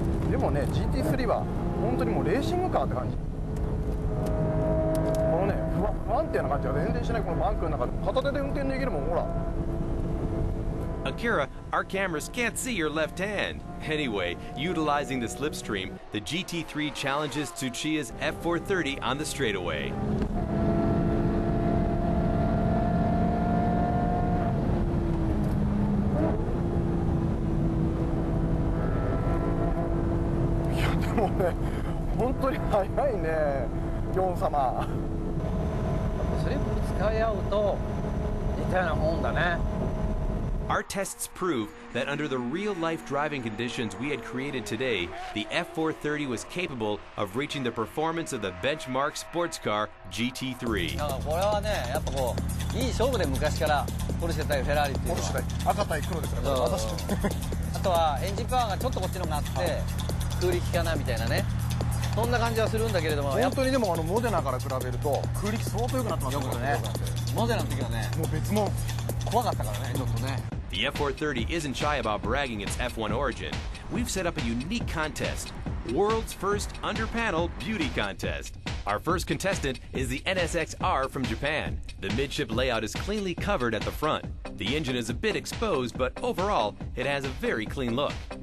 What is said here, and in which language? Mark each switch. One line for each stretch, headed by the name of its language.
Japanese: でもね GT3 は本当にもうレーシングカーって感じ。このね不安定な感じが全然しない。このバンクの中で片手で運転できるもん。ほら
English: Akira, our cameras can't see your left hand. Anyway, utilizing the slipstream, the GT3 challenges Tsuchiya's F430 on the straightaway.
Japanese: もうね、本当に速いね、ギョン様。っぱスリップ使い合うと似たようなもんだね。 Our tests prove that under the real-life driving conditions we had created today, the F430 was capable of reaching the performance of the benchmark sports car GT3. これはね、やっぱこういい勝負で昔からポルシェ対フェラーリっていうのは。ポルシェ対赤対黒ですから。私。あとはエンジンパワーがちょっとこっちの方があって。空力かなみたいなね、そんな感じはするんだけれども、本当にでもモデナから比べると空力相当良くなってますよね。モデナの時はねもう別物、怖かったからねちょっとね。
English: The F430 isn't shy about bragging its F1 origin. We've set up a unique contest, world's first under-panel beauty contest. Our first contestant is the NSX-R from Japan. The midship layout is cleanly covered at the front. The engine is a bit exposed, but overall, it has a very clean look.